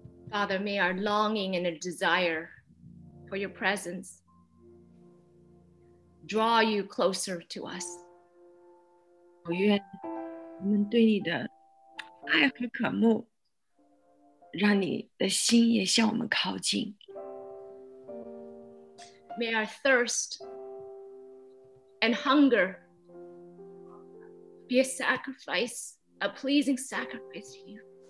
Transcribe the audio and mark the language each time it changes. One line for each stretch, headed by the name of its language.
English: Father, may our longing and a desire for your presence draw you closer to us.
Chinese: 我愿我们对你的爱和渴慕, 让你的心也向我们靠近。
English: May our thirst and hunger be a sacrifice, a pleasing sacrifice to you.